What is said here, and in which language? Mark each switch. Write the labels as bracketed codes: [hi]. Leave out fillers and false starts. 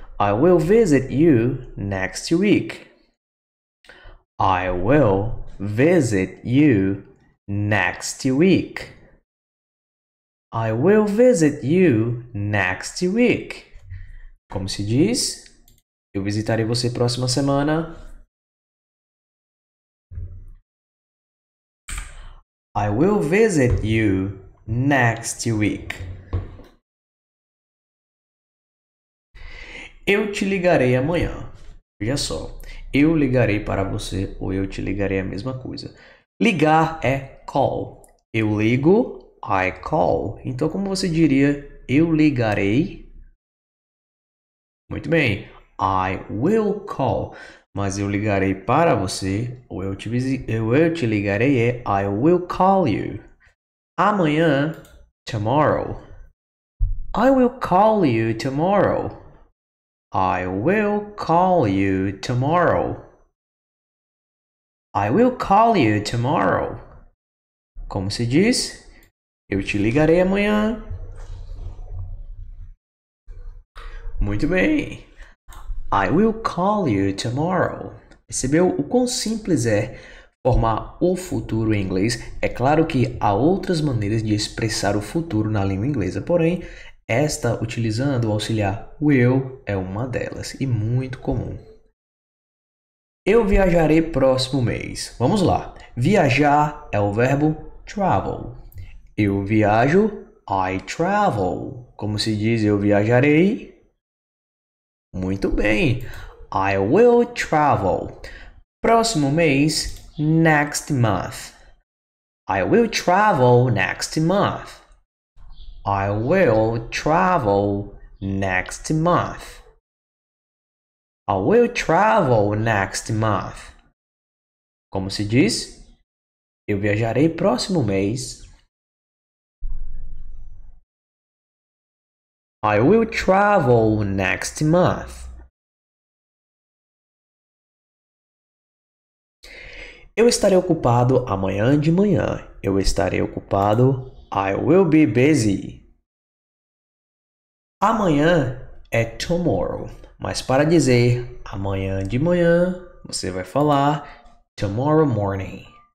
[en] I will visit you next week. I will visit you next week. I will visit you next week. [pt] Como se diz? Eu visitarei você próxima semana. [en] I will visit you next week. [pt] Eu te ligarei amanhã. Veja só. Eu ligarei para você ou eu te ligarei a mesma coisa. Ligar é call. Eu ligo, [en] I call. [pt] Então, como você diria, eu ligarei? Muito bem, [en] I will call. [pt] Mas eu ligarei para você ou eu te ligarei é [en] I will call you. [pt] Amanhã, tomorrow. [en] I will call you tomorrow. I will call you tomorrow. I will call you tomorrow. [pt] Como se diz? Eu te ligarei amanhã. Muito bem. [en] I will call you tomorrow. [pt] Percebeu o quão simples é formar o futuro em inglês? É claro que há outras maneiras de expressar o futuro na língua inglesa, porém, esta utilizando o auxiliar will é uma delas e muito comum. Eu viajarei próximo mês. Vamos lá. Viajar é o verbo travel. Eu viajo, [en] I travel. [pt] Como se diz eu viajarei? Muito bem. [en] I will travel. [pt] Próximo mês, [en] next month. I will travel next month. I will travel next month. I will travel next month. [pt] Como se diz? Eu viajarei próximo mês. [en] I will travel next month. [pt] Eu estarei ocupado amanhã de manhã. Eu estarei ocupado. [en] I will be busy. [pt] Amanhã é [en] tomorrow. [pt] Mas para dizer amanhã de manhã, você vai falar tomorrow morning.